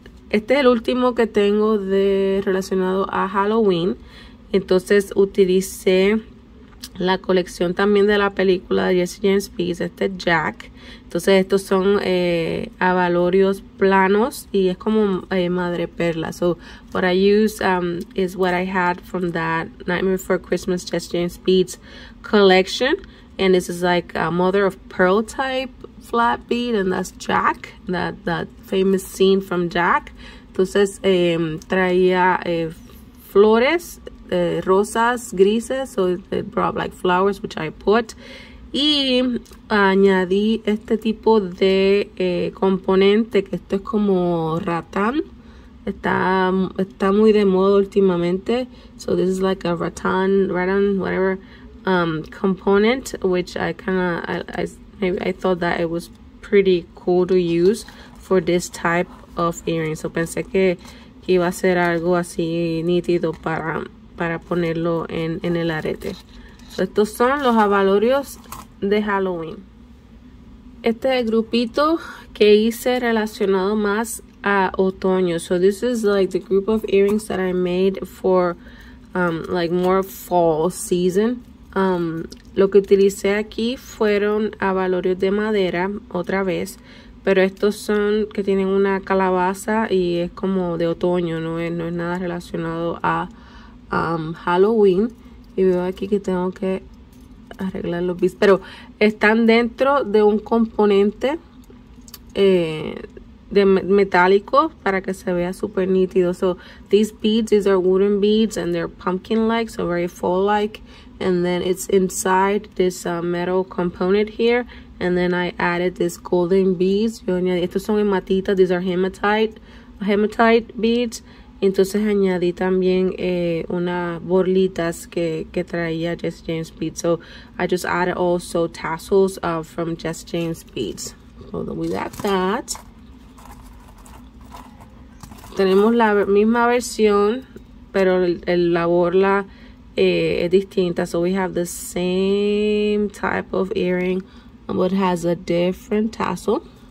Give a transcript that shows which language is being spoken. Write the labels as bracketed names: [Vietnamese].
[Spanish] Este es el último que tengo relacionado a Halloween. Entonces, utilicé la colección también de la película de Jesse James Beads, este Jack. Entonces estos son abalorios planos y es como madre perla. [English] So what I use is what I had from that Nightmare Before Christmas Jesse James Beads collection. And this is like a mother of pearl type flat bead, and that's Jack, that famous scene from Jack. [Spanish] Entonces traía flores, rosas grises, [English] so it brought like flowers, which I put. [Spanish] Y añadí este tipo de componente, que esto es como rattan. Está muy de moda últimamente. [English] So this is like a rattan, whatever, component, which I kind of, I thought that it was pretty cool to use for this type of earring. [Spanish] So pensé que iba a ser algo así nítido para ponerlo en el arete. So estos son los abalorios de Halloween. Este es el grupito que hice relacionado más a otoño. [English] So this is like the group of earrings that I made for like more fall season. [Spanish] Lo que utilicé aquí fueron abalorios de madera otra vez, pero estos son que tienen una calabaza y es como de otoño, no es nada relacionado a Halloween. Y veo aquí que tengo que arreglar los bits, pero están dentro de un componente de metálico para que se vea super nítido. [English] So these beads, these are wooden beads and they're pumpkin like, so very fall like. And then it's inside this metal component here. And then I added this golden beads. [Spanish] Yo añadí, estos son hematitas. [English] These are hematite beads. [Spanish] Entonces añadí también unas borlitas que traía Jess James beads. [English] So I just added also tassels from Jess James beads. So we got that. [Spanish] Tenemos la misma versión, pero la borla es distinta. [English] So we have the same type of earring, but has a different tassel.